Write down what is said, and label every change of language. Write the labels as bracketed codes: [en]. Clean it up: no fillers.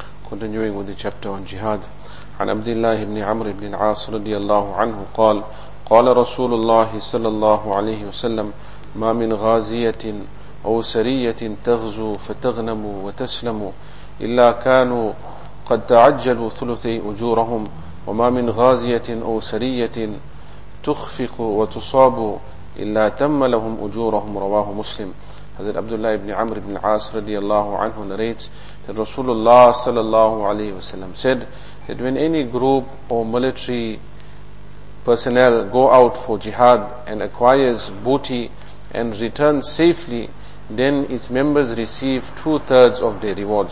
[en] Continuing with the chapter on jihad. [ar] عن عبد الله بن عمرو بن العاص رضي الله عنه قال قال رسول الله صلى الله عليه وسلم ما من غازية أو سرية تغزو فتغنموا وتسلموا إلا كانوا قد تعجلوا ثلثي أجورهم وما من غازية أو سرية تخفق وتصاب إلا تم لهم أجورهم رواه مسلم. [en] Hazrat Abdullah ibn Amr ibn As radiallahu anhu narrates that Rasulullah sallallahu alayhi wa sallam said that when any group or military personnel go out for jihad and acquires booty and returns safely, then its members receive 2/3 of their rewards.